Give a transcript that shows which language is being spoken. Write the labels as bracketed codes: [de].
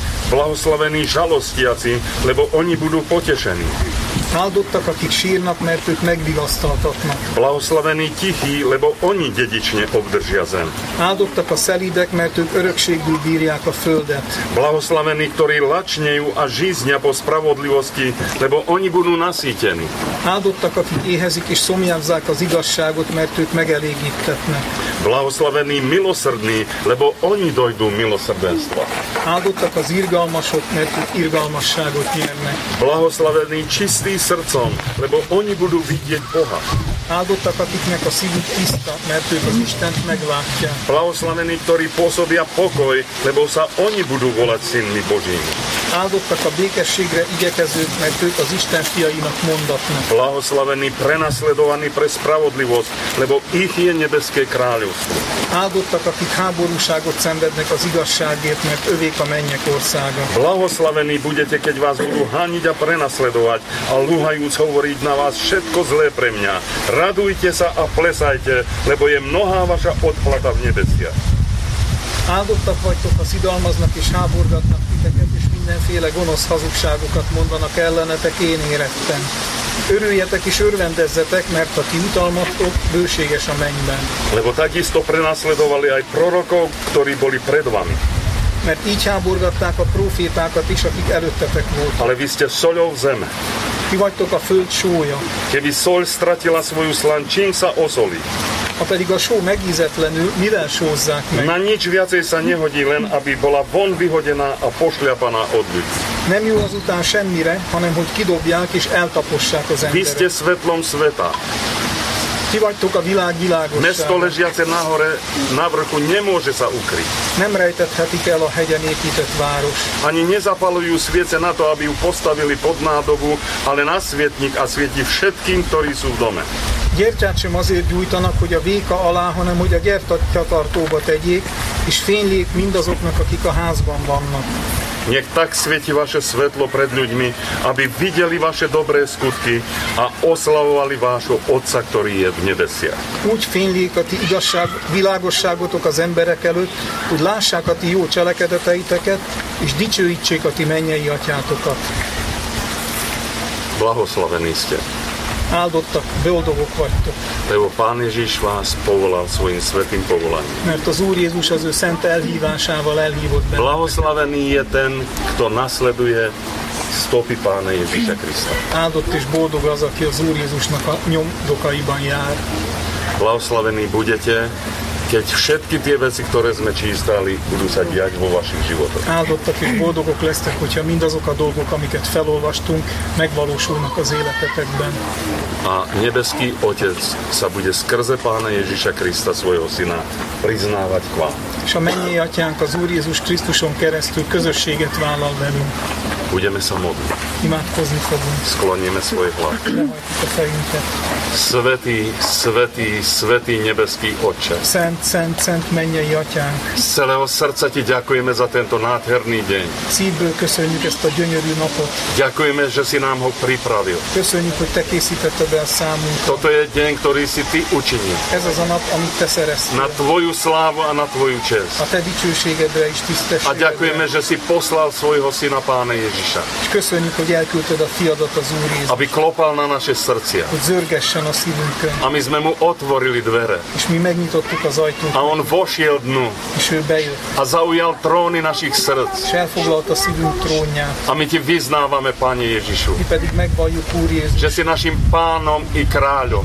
[sk] Blahoslavení žalostiaci, lebo oni budú potešení. [hu] Áldottak, akik sírnak, mert ők megvigasztaltatnak. [sk] Blahoslavení tichí, lebo oni dedične obdržia zem. [hu] Áldottak a szelídek, mert ők örökségül bírják a földet. [sk] Blahoslavení, ktorí lačnejú a žíznia po spravodlivosti, lebo oni budú nasítení. [hu] Áldottak, akik éhezik és szomjazzák az igazságot, mert ők megelégítetnek. [sk] Blahoslavení milosrdní, lebo oni dojdú milosrdenstva. [hu] Áldottak az irgalmasok, mert ők irgalmasságot nyernek. [sk] Blahoslavení čistí srdcom, lebo oni budú vidieť Boha. [hu] Áldottak, akiknek a szívük tiszta, mert ők az Istent megváltják. [sk] Blahoslavení, ktorí pôsobia pokoj, lebo sa oni budú volať synmi Božími. [hu] áldottak a békességre igyekezők, mert ők az Isten fiainak mondatnak. [sk] Blahoslavení prenasledovaní pre spravodlivosť, lebo ich je nebeské kráľovstvo. [hu] Áldottak, akik háborúságot szenvednek az igazságért, mert övék a mennyek országa. [sk] Blahoslavení budete, keď vás budú haniť a prenasledovať a lúhajúc hovoriť na vás všetko zlé pre mňa. Radujte sa a plesajte, lebo je mnohá vaša odplata v nebesiach. [hu] Áldottak vagytok, ha szidalmaznak és háborgatnak titeket, és mindenféle gonosz hazugságokat mondanak ellenetek én éretten. Örüljetek és örvendezzetek, mert a ti utalmatok bőséges a mennyben. [sk] Lebo takisto prenasledovali aj prorokov, ktorí boli pred vami. [hu] Mert így háborgatták a prófétákat is, akik előttetek voltak. [sk] Ale vy ste soľou zeme. [hu] Ti vagytok a föld sója. [sk] Keby soľ stratila svoju slan, čím sa osolí? [hu] A pedig a só megízetlenül, mivel sózzák meg? [sk] Na nič viacej sa nehodí, len aby bola von vyhodená a pošľapaná od ľudí. [hu] Nem jó azután semmire, hanem hogy kidobják és eltapossák az emberek. [sk] Vy ste svetlom sveta. [hu] Ti vagytok a világ világossága. [sk] Mesto ležiace na hore, na vrchu, nemôže sa ukryť. [hu] Nem rejtethetik el a hegyen épített város. [sk] Ani nezapalujú sviece na to, aby ju postavili pod nádobu, ale na svietnik a svieti všetkým, ktorí sú v dome. [hu] Gyertyát sem azért gyújtanak, hogy a véka alá, hanem hogy a gyertyatartóba tegyék, és fénylék mindazoknak, akik a házban vannak. [sk] Nech tak svieti vaše svetlo pred ľuďmi, aby videli vaše dobré skutky a oslavovali vášho Otca, ktorý je v nebesiach. [hu] Úgy fénylék a ti igazság, világosságotok az emberek előtt, hogy lássák a ti jó cselekedeteiteket, és dicsőítsék a ti mennyei atyátokat. [sk] Blahoslavení ste. [hu] Áldottak, boldogok vagytok. [sk] Lebo Pán Ježiš vás povolal svojim svetým povolaním. [hu] Mert az Úr Jézus az ő szent elhívásával elhívott benne. [sk] Blahoslavený je ten, kto nasleduje stopy Pána Ježiša Krista. [hu] Áldott és boldog az, aki az Úr Jézusnak a nyomdokaiban jár. [sk] Blahoslavení budete, keď všetky tie veci, ktoré sme čítali, budú sa diať vo vašich životoch. [hu] Áldottak és boldogok lesztek, hogyha mindazok a dolgok, amiket felolvastunk, megvalósulnak az életetekben. [sk] A nebeský Otec sa bude skrze Pána Ježiša Krista, svojho Syna, priznávať k vám. [hu] És a mennyei Atyánk az Úr Jézus Krisztuson keresztül közösséget vállal velünk. [sk] Budeme sa modliť. [hu] Imádkozni fogunk. [sk] Skloníme svoje hlavy. Svetý, svetý, svetý nebeský Otče. [hu] Szent, szent, szent mennyei Atyánk. [sk] Z celého srdca ti ďakujeme za tento nádherný deň. [hu] Szívből köszönjük ezt a gyönyörű napot. [sk] Ďakujeme, že si nám ho pripravil. [hu] Köszönjük, hogy te készítetted be a számunkra. [sk] Toto je deň, ktorý si ty učinil. [hu] Ez az a nap, amit te szereztél. [sk] Na tvoju slávu a na tvoju čest. [hu] A te dicsőségedre és tisztességedre. [sk] A ďakujeme, že si poslal svojho syna Pána Ježiša. [hu] És köszönjük, hogy elküldted a fiadat az Úr Jézus. [sk] Aby klopal na naše srdcia. [hu] Hogy zörgessen a szívünkön. [sk] A my sme mu otvorili dvere. [hu] És mi megnyitottuk az ajtót. [sk] A on vošiel dnu. [hu] És ő bejött. [sk] A zaujal tróny našich srdc. [hu] És elfoglalt a szívünk trónját. [sk] A my ti vyznávame, Pane Ježišu. [hu] Mi pedig megvalljuk, Úr Jézus. [sk] Že si našim pánom i kráľom.